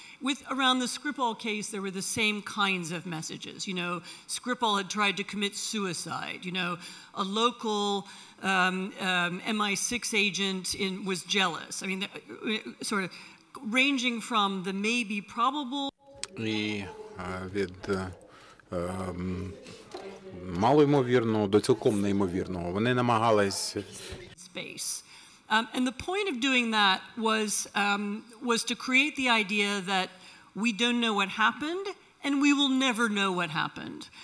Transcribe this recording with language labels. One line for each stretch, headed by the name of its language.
English: With around the Skripal case, there were the same kinds of messages. You know, Skripal had tried to commit suicide. You know, a local MI6 agent was jealous. I mean, sort of ranging from the maybe probable.
Ukrainian: І від малоймовірного до цілком неймовірного. Вони намагались. Space.
English: And the point of doing that was to create the idea that we don't know what happened and we will never know what happened.